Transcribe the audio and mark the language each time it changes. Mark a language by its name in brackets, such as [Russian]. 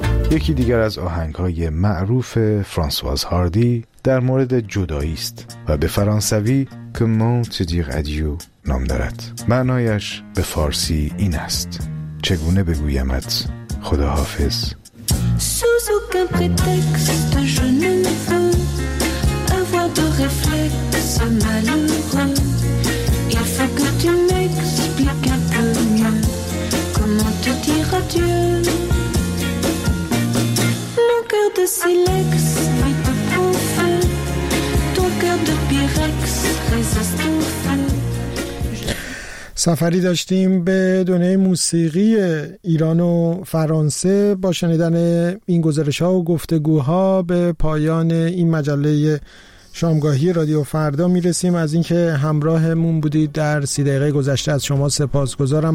[Persian] یکی دیگر از آهنگ‌های معروف فرانسواز هاردی در مورد جدایی است و به فرانسوی Comment te dire adieu نام دارد. معنایش به فارسی این است: چگونه بگویمت خداحافظ. [French] Sous aucun prétexte je ne veux avoir de réflexes malheureux. Il faut que tu m'expliques un peu mieux comment te dire adieu. Mon cœur de silex est un peu fou. Ton cœur de pyrex résiste au feu. [Persian] سفری داشتیم به دنیای موسیقی ایران و فرانسه. با شنیدن این گزارش‌ها و گفتگوها به پایان این مجله شامگاهی رادیو فردا میرسیم. از اینکه همراهمون بودید در 30 دقیقه گذشته از شما سپاسگزارم.